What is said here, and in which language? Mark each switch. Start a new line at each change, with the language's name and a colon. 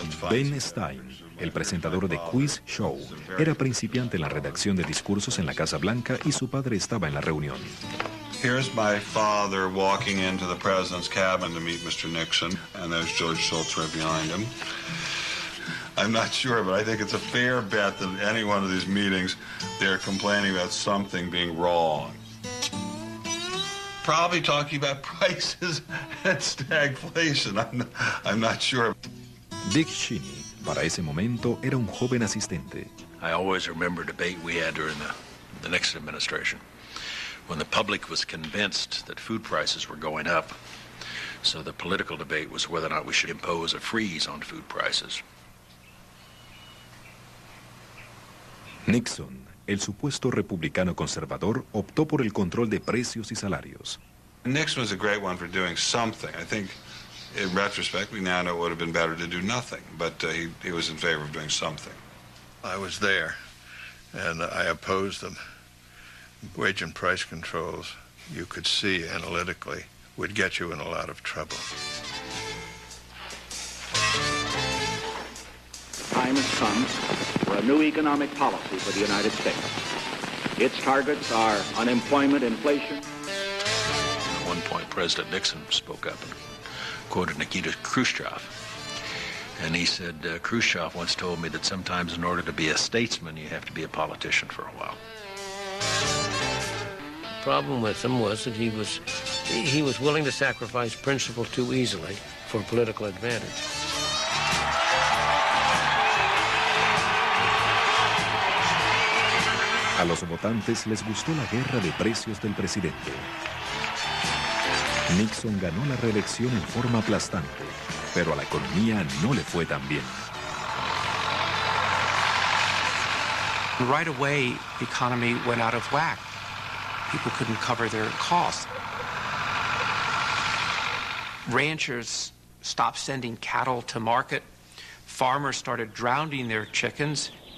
Spanish: Ben Stein, el presentador de Quiz Show, era principiante en la redacción de discursos en la Casa Blanca y su padre estaba en la reunión.
English: Here's my father walking into the president's cabin to meet Mr. Nixon, and there's George Shultz right behind him. I'm not sure, but I think it's a fair bet that any one of these meetings, they're complaining about something being wrong. Probably talking about prices and stagflation. I'm not sure.
Spanish: Dick Cheney, para ese momento, era un joven asistente.
English: I always remember a debate we had during the Nixon administration when the public was convinced that food prices were going up. So the political debate was whether or not we should impose a freeze on food prices.
Spanish: Nixon, el supuesto republicano conservador, optó por el control de precios y salarios.
English: Nixon was a great one for doing something. I think, in retrospect, we now know it would have been better to do nothing, but he was in favor of doing something. I was there, and I opposed them. Wage and price controls, you could see analytically, would get you in a lot of trouble. Time has come for a new economic policy for the United States. Its targets are unemployment, inflation. At one point, President Nixon spoke up and quoted Nikita Khrushchev. And he said, Khrushchev once told me that sometimes in order to be a statesman, you have to be a politician for a while. The problem with him was that he was willing to sacrifice principle too easily for political advantage.
Spanish: A los votantes les gustó la guerra de precios del presidente. Nixon ganó la reelección en forma aplastante, pero a la economía no le fue tan bien.
English: Right away, the economy went out of whack. People couldn't cover their costs. Ranchers stopped sending cattle to market. Farmers started drowning their chickens.